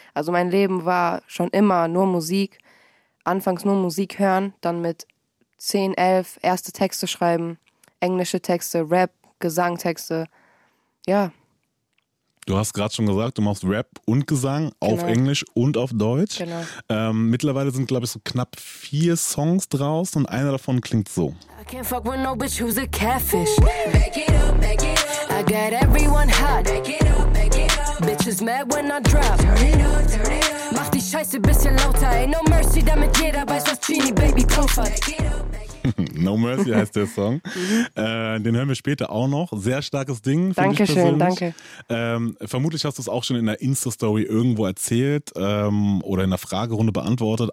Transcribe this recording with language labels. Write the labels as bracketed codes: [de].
[de] Also mein Leben war schon immer nur Musik, anfangs nur Musik hören, dann mit 10, 11 erste Texte schreiben, englische Texte, Rap, Gesangtexte, ja. Du hast gerade schon gesagt, du machst Rap und Gesang auf genau. Englisch und auf Deutsch. Genau. Mittlerweile sind, glaube ich, so knapp 4 Songs draus und einer davon klingt so. [en] I can't fuck with no bitch who's a catfish. Make it up, make it up. I got everyone hot. Make it up, make it up. Bitches mad when I drop. Turn it up. [de] Mach die Scheiße bisschen lauter. [en] Ain't no mercy, [de] damit jeder weiß, was Genie Baby profit. No Mercy heißt der Song. Den hören wir später auch noch. Sehr starkes Ding. Dankeschön, persönlich. Danke. Vermutlich hast du es auch schon in der Insta-Story irgendwo erzählt oder in der Fragerunde beantwortet.